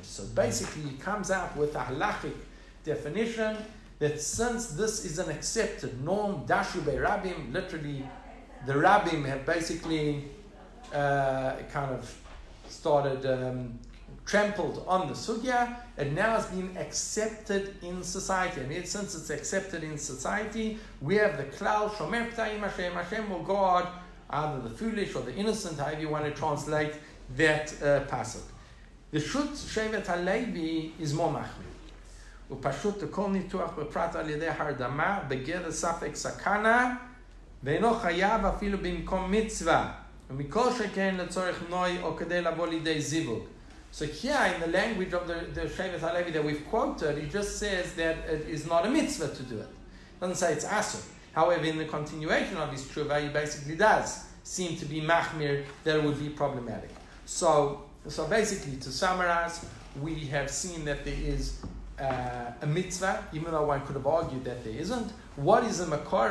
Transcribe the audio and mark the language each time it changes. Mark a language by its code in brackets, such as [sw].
[en] So basically, he comes out with a halachic definition, that since this is an accepted norm, [he] dashu be rabim, [en] literally, the rabim have basically kind of started, trampled on the sugya, and now it's been accepted in society. I mean, since it's accepted in society, we have the klal, [he] shomer p'tayim Hashem, [en] Hashem will guard either the foolish or the innocent, however you want to translate that passage. The shut shevet halevi is more machmir. [he] ופשוט לכל ניתוח בפרט על ידי הרדמה בגדר ספק סכנה ואינו חייב אפילו במקום מצווה ומכל שכן לצורך נוי או כדי לבוא לידי זיווג. [en] So here in the language of the Shevet HaLevi that we've quoted, it just says that it is not a mitzvah to do it. It doesn't say it's asur. However, in the continuation of his tshuva, he basically does seem to be machmir that it would be problematic. So basically, to summarize, we have seen that there is a mitzvah, even though one could have argued that there isn't. What is a makor?